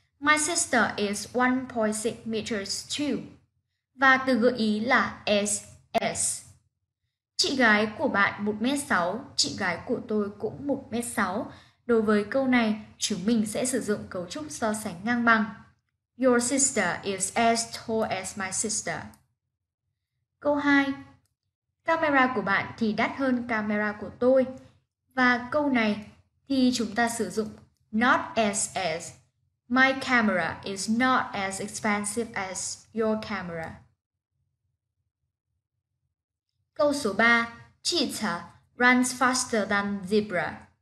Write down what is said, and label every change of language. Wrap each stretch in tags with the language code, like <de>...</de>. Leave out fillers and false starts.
<en>My sister is 1.6 meters too.</en> <vi>Và từ gợi ý là</vi> <en>as, as.</en> <vi>Chị gái của bạn 1m6, chị gái của tôi cũng 1m6. Đối với câu này, chúng mình sẽ sử dụng cấu trúc so sánh ngang bằng.</vi> <en>Your sister is as tall as my sister.</en> <vi>Câu 2. Camera của bạn thì đắt hơn camera của tôi. Và câu này thì chúng ta sử dụng</vi> <en>not as as. My camera is not as expensive as your camera.</en> <vi>Câu số 3.</vi> <en>Cheetah runs faster than zebra.</en>